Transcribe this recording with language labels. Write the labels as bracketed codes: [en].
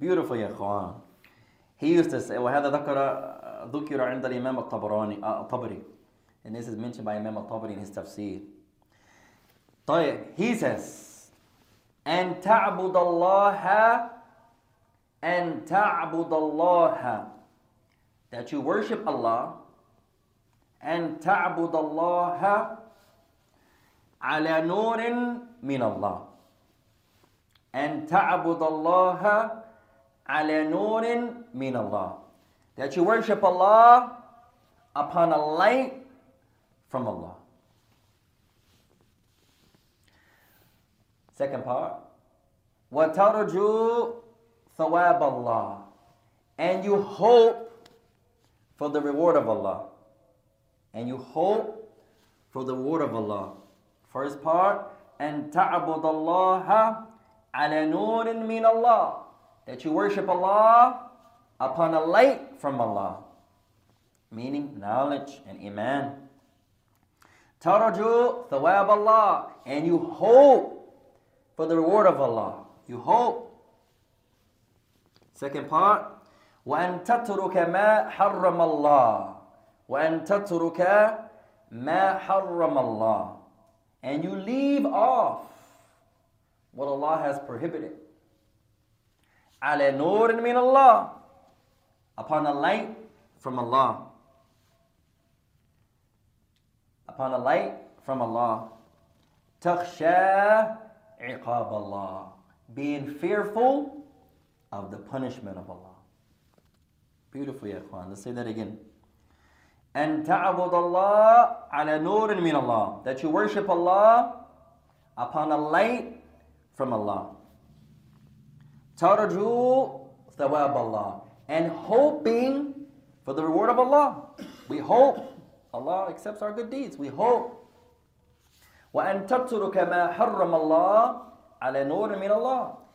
[en] Beautiful, [ar] يا إخوان. [en] He used to say, [ar] وَهَذَا ذَكَرَ ذُكِرَ عِنْدَ الْإِمَامَ الطَّبْرَانِ الطَّبْرِ. [en] And this is mentioned by Imam al-Tabri in his tafsir. [ar] طيب, [en] he says, [ar] أَن تَعْبُدَ اللَّهَ [en] that you worship Allah, [ar] أَن تَعْبُدَ اللَّهَ عَلَى نُورٍ مِنَ اللَّهِ أَن تَعْبُدَ اللَّهَ عَلَى نُورٍ مِنَ اللَّهِ [en] that you worship Allah upon a light from Allah. Second part. [ar] وَتَرْجُو ثَوَابَ اللَّهِ [en] and you hope for the reward of Allah. And you hope for the word of Allah. First part, [ar] أن تعبد الله على نور من الله. [en] That you worship Allah upon a light from Allah. Meaning knowledge and iman. [ar] تَرَجُوا ثَوَابَ اللَّهِ. [en] And you hope for the reward of Allah. You hope. Second part. [ar] وَأَن تَتْرُكَ مَا حَرَّمَ اللَّهِ. وَأَن تَتْرُكَ مَا حَرَّمَ اللَّهِ. [en] And you leave off what Allah has prohibited. [ar] عَلَى نُورٍ مِنَ اللَّهِ. [en] Upon a light from Allah. Upon a light from Allah. [ar] تخشى عقاب الله. [en] Being fearful of the punishment of Allah. Beautiful, ya ikhwan. Let's say that again. [ar] أن تعبد الله على نور من الله. [en] That you worship Allah upon a light from Allah. [ar] ترجو ثواب الله. [en] And hoping for the reward of Allah. We hope. Allah accepts our good deeds. We hope. [ar] وَأَن تَتْرُكَ مَا حَرَّمَ اللَّهُ عَلَى نُورٍ مِنَ اللَّهِ.